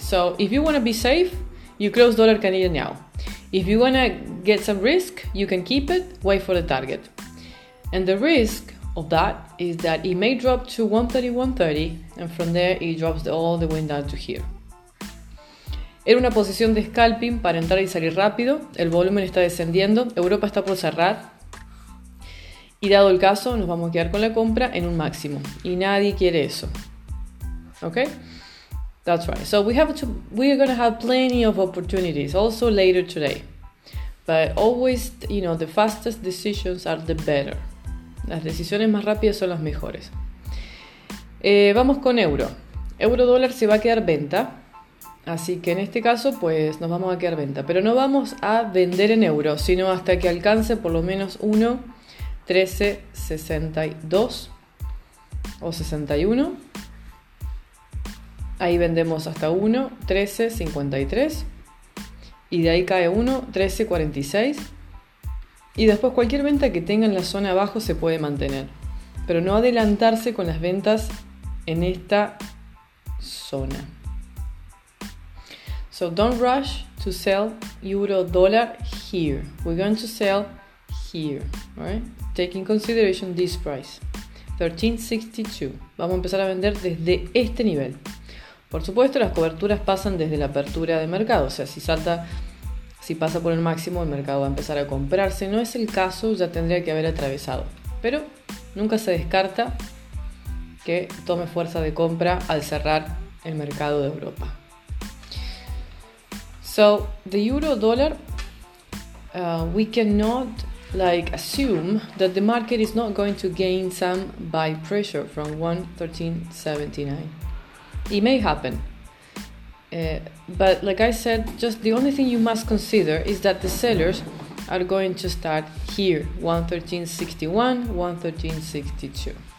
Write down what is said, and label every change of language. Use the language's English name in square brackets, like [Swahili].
[English] So if you want to be safe, you close dollar Canadian now. If you want to get some risk, you can keep it, wait for the target. And the risk of that is that it may drop to 131.30 and from there it drops all the way down to here. [Spanish] Era una posición de scalping para entrar y salir rápido. El volumen está descendiendo. Europa está por cerrar. Y dado el caso, nos vamos a quedar con la compra en un máximo. Y nadie quiere eso. [English] Okay? That's right. So we are going to have plenty of opportunities also later today. But always, you know, the fastest decisions are the better. [Spanish] Las decisiones más rápidas son las mejores. Vamos con euro. Euro dólar se va a quedar venta. Así que en este caso, pues nos vamos a quedar venta. Pero no vamos a vender en euros, sino hasta que alcance por lo menos 1.1362 o 61. Ahí vendemos hasta 1.1353. Y de ahí cae 1.1346. Y después cualquier venta que tenga en la zona abajo se puede mantener. Pero no adelantarse con las ventas en esta zona. [English] So don't rush to sell euro dollar here. We're going to sell here, right? Taking consideration this price, 1362. [Spanish] Vamos a empezar a vender desde este nivel. Por supuesto, las coberturas pasan desde la apertura de mercado. O sea, si pasa por el máximo, el mercado va a empezar a comprarse. No es el caso, ya tendría que haber atravesado. Pero nunca se descarta que tome fuerza de compra al cerrar el mercado de Europa. [English] So the euro dollar, we cannot like assume that the market is not going to gain some buy pressure from 1.1379. It may happen, but like I said, just the only thing you must consider is that the sellers are going to start here, 1.1361, 1.1362.